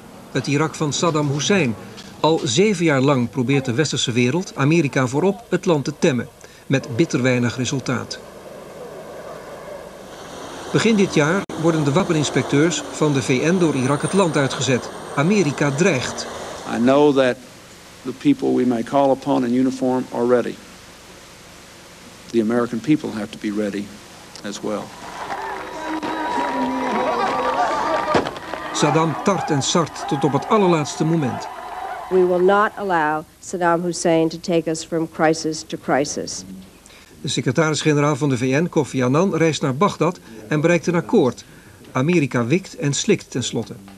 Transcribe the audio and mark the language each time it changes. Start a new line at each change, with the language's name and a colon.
Dutch: Het Irak van Saddam Hussein. Al 7 jaar lang probeert de westerse wereld, Amerika voorop, het land te temmen. Met bitter weinig resultaat. Begin dit jaar worden de wapeninspecteurs van de VN door Irak het land uitgezet. Amerika dreigt.
English: I know that the people we may call upon in uniform are ready. The American people have to be ready as well.
Dutch: Saddam tart en sart tot op het allerlaatste moment.
English: We will not allow Saddam Hussein to take us from crisis to crisis.
Dutch: De secretaris-generaal van de VN, Kofi Annan, reist naar Bagdad en bereikt een akkoord. Amerika wikt en slikt tenslotte.